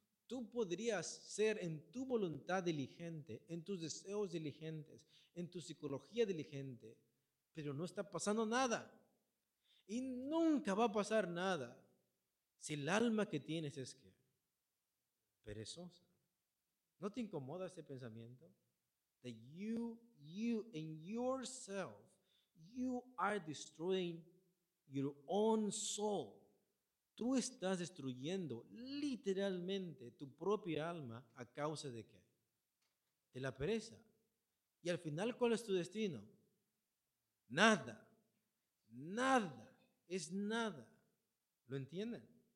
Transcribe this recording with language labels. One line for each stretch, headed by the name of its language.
Spanish: Tú podrías ser en tu voluntad diligente, en tus deseos diligentes, en tu psicología diligente, pero no está pasando nada. Y nunca va a pasar nada si el alma que tienes es que perezosa. ¿No te incomoda ese pensamiento?
English: That you in yourself, you are destroying your own soul.
Spanish: Tú estás destruyendo literalmente tu propia alma a causa de ¿qué? De la pereza. Y al final, ¿cuál es tu destino? Nada. Nada. Es nada. ¿Lo entienden?